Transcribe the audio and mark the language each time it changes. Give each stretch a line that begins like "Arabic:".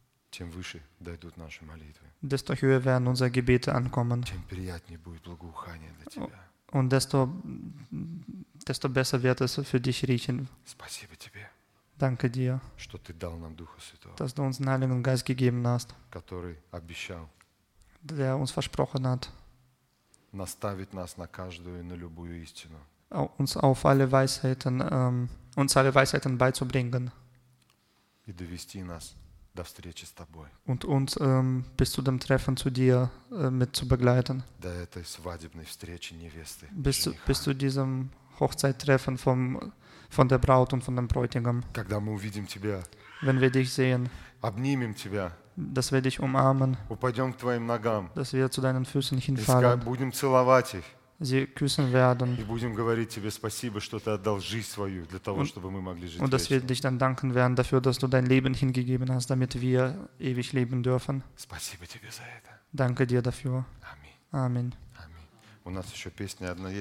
Russian: Чем выше дойдут наши молитвы.
German: Desto höher werden unsere Gebete ankommen.
Russian: Чем приятнее будет благоухание для тебя.
German: Und desto besser wird es für dich riechen.
Russian: Спасибо тебе.
German: Danke dir.
Russian: Что ты дал нам Духа Святого.
German: Dass du uns den Heiligen Geist gegeben hast.
Russian: Который обещал.
German: Der uns versprochen hat.
Russian: Наставить нас на каждую и на любую истину.
German: Uns auf alle Weisheiten, uns alle Weisheiten beizubringen.
Russian: И довести нас. До встречи с тобой.
German: Und uns bis zu dem Treffen zu dir mit zu begleiten.
Russian: До этой свадебной встречи невесты.
German: Bis zu diesem Hochzeittreffen von der Braut und von dem Bräutigam.
Russian: Когда мы увидим тебя.
German: Wenn wir dich sehen.
Russian: Обнимем тебя.
German: Dass wir dich umarmen.
Russian: Упадем к твоим ногам.
German: Dass wir zu deinen Füßen hinfallen.
Russian: Будем целовать их.
German: Sie küssen werden.
Russian: И будем говорить тебе спасибо, что ты отдал жизнь свою для того, чтобы мы могли жить.
German: Und dass Wir dich dann danken werden dafür, dass du dein Leben hingegeben hast, damit wir ewig leben dürfen.
Russian: Спасибо тебе за это.
German: Danke dir dafür.
Russian: Аминь. Аминь. Аминь. У нас еще песня одна есть.